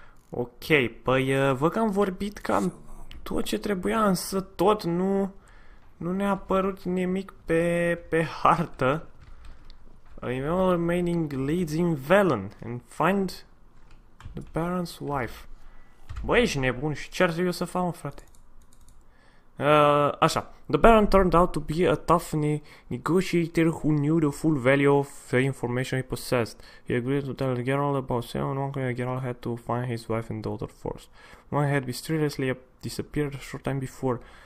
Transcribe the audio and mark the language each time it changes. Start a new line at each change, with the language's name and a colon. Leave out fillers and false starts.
Romanian: Ok, păi văd că am vorbit cam tot ce trebuia, însă tot nu ne-a apărut nimic pe hartă.
English: Remember remaining leads in Velen and find the baron's wife.
Romanian: Băi, ești nebun și ce ar trebui să fac, mă, frate? Așa.
English: The baron turned out to be a tough negotiator who knew the full value of the information he possessed. He agreed to tell Geralt about Seon, and one clear Geralt had to find his wife and daughter first. One had mysteriously disappeared a short time before.